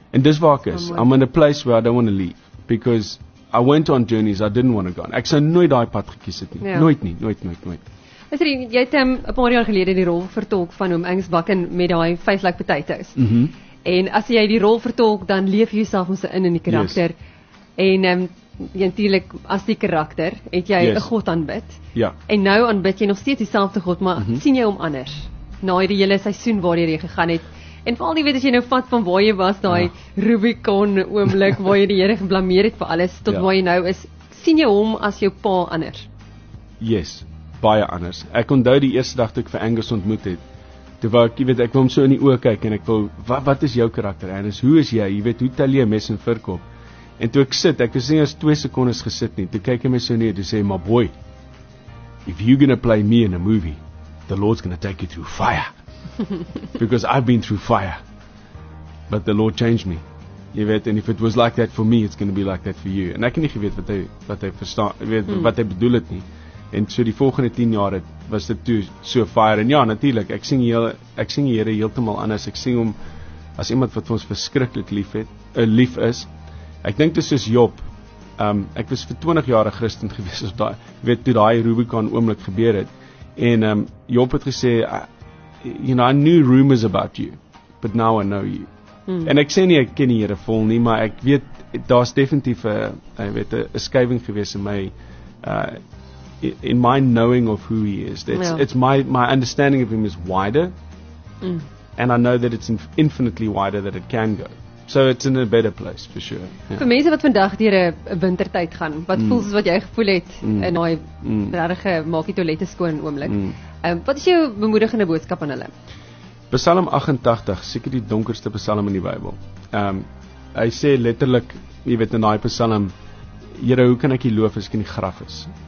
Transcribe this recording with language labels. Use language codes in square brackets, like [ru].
[en] And [af] dis waar ek is, [en] I'm in a place where I don't want to leave, because I went on journeys I didn't want to go on. [af] Ek sou nooit daai pad gekies het nie. [en] Yeah. [af] Nooit. Is dit jy het 'n paar jaar gelede die rol vertolk van Oom Angus Bakken met daai Face Like Potatoes. Mhm. En as jy die rol vertolk, dan leef jy self ons in die karakter. [en] Yes. [af] En natuurlik as die karakter het jy 'n God aanbid. Ja. En nou aanbid jy nog steeds dieselfde God, maar sien jy hom anders na hierdie hele seisoen waardeur jy gegaan het? En veral jy weet as jy nou vat van waar jy was, daai Rubicon oomblik waar jy die Here geblameer het vir alles tot waar jy nou is, sien jy hom as jou pa anders? [en] Yes, [af] baie anders. Ek onthou die eerste dag toe ek vir Angus ontmoet het. Toe wou ek, jy weet, ek wil hom so in die oë kyk en ek wil, wat is jou karakter? En hoe is jy? Jy weet, hoe tel jy 'n mes en vork op? En toe ek sit, ek was nie eens 2 sekondes gesit nie, toe kyk hy my so neer, toe sê hy, [en] my boy, if you're gonna play me in a movie, the Lord's gonna take you through fire. Because I've been through fire, but the Lord changed me. [af] Jy weet, [en] and if it was like that for me, it's gonna be like that for you. [af] En ek het nie geweet wat hy verstaan, weet, wat hy bedoel het nie. En so die volgende 10 jaar het, was dit toe so fire. En ja, natuurlik, ek sien die Here heeltemal anders. Ek sien hom as iemand wat vir ons verskriklik lief het, lief is. Ek dink dit is soos Job. Ek was vir 20 jaar 'n Christen gewees op daai, weet toe daai Rubicon oomblik gebeur het. En Job het gesê, [en] you know, I knew rumors about you, but now I know you. [af] En ek sê nie ek ken die Here vol nie, maar ek weet daar's definitief 'n skuiwing gewees in my in [en] my knowing of who he is. It's my understanding of him is wider. And I know that it's infinitely wider that it can go. So it's in a better place for sure. Yeah. [af] Vir mense wat vandag deur 'n wintertyd gaan, wat voel soos wat jy gevoel het in daai regte maak die toilette skoon oomblik. Wat is jou bemoedigende boodskap aan hulle? Psalm 88, seker die donkerste psalm in die Bybel. Hy sê letterlik, jy weet in daai psalm, Here, hoe kan ek U loof as ek in die graf is?